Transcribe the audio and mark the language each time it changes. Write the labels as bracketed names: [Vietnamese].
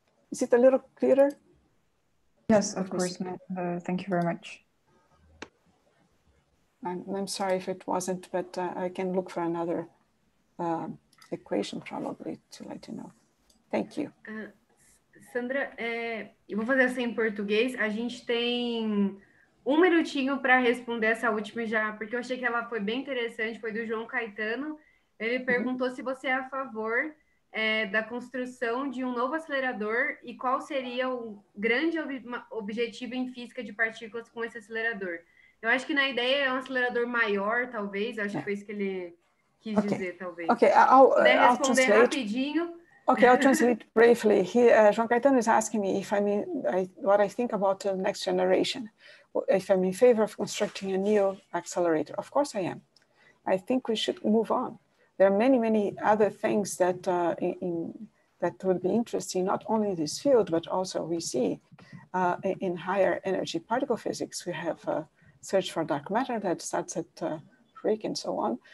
[English] Is it a little clearer? Yes, of course. Thank you very much. I'm sorry if it wasn't, but I can look for another equation probably to let you know. Thank you. [Portuguese] Sandra, eu vou fazer essa em português. A gente tem um minutinho para responder essa última já, porque eu achei que ela foi bem interessante, foi do João Caetano. Ele perguntou se você é a favor da construção de um novo acelerador e qual seria o grande objetivo em física de partículas com esse acelerador. Eu acho que na ideia é um acelerador maior, talvez, acho que foi isso que ele quis dizer, talvez. [English] Ok, I'll [Portuguese] responder rapidinho. [English] Okay, I'll translate briefly. João Caetano is asking me if what I think about the next generation, if I'm in favor of constructing a new accelerator. Of course I am. I think we should move on. There are many, many other things that that would be interesting, not only this field, but also we see in higher energy particle physics, we have a search for dark matter that starts at RHIC and so on.